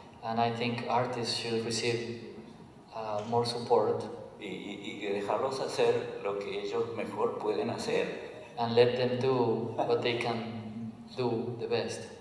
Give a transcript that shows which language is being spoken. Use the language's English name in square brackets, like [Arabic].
[English] And I think artists should receive more support. [Spanish] Y dejarlos hacer lo que ellos mejor pueden hacer. [English] And let them do what they can do the best.